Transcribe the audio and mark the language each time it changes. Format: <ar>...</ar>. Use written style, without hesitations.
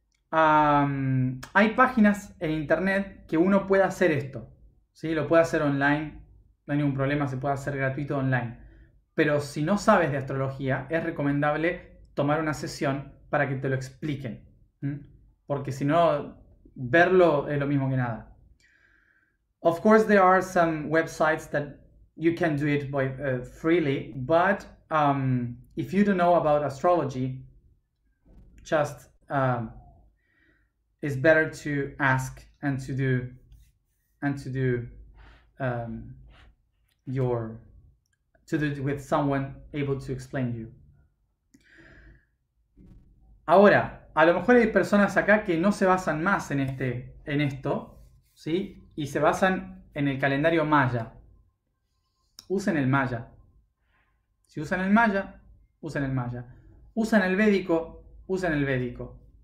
<es>Hay páginas en internet que uno puede hacer esto, ¿sí? Lo puede hacer online, no hay ningún problema, se puede hacer gratuito online. Pero si no sabes de astrología, es recomendable tomar una sesión para que te lo expliquen, porque si no, verlo es lo mismo que nada.</es> <en>Of course, there are some websites that you can do it by, freely, but if you don't know about astrology, just it's better to ask and to do to do it with someone able to explain you.</en> <es>Ahora, a lo mejor hay personas acá que no se basan más en esto, ¿sí? Y se basan en el calendario maya. Usen el maya. Si usan el maya, usen el maya. Usan el védico, usen el védico.</es>